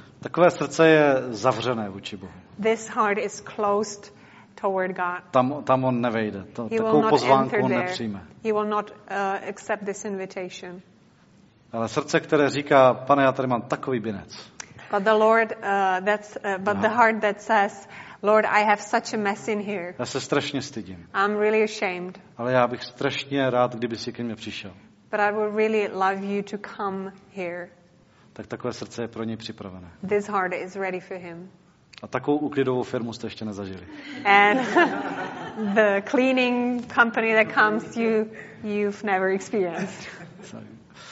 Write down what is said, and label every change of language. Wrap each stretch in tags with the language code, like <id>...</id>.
<cs>Takové srdce je zavřené vůči Bohu.</cs> <en>This heart is closed toward God.</en> <cs>Tam on nevejde. Takovou pozvánku on nepřijme.</cs> <en>He will not accept this invitation.</en> <cs>Ale srdce, které říká, pane, já tady mám takový binec.</cs> <en>But the Lord, the heart that says, Lord, I have such a mess in here.</en> <cs>Já se strašně stydím.</cs> <en>I'm really ashamed.</en> <cs>Ale já bych strašně rád, kdyby si ke mně přišel.</cs> <en>But I would really love you to come here.</en> <cs>Tak takové srdce je pro něj připravené.</cs> <en>This heart is ready for him.</en> <cs>A takovou uklidovou firmu jste ještě nezažili.</cs> <en>And the cleaning company that comes, you've never experienced.</en>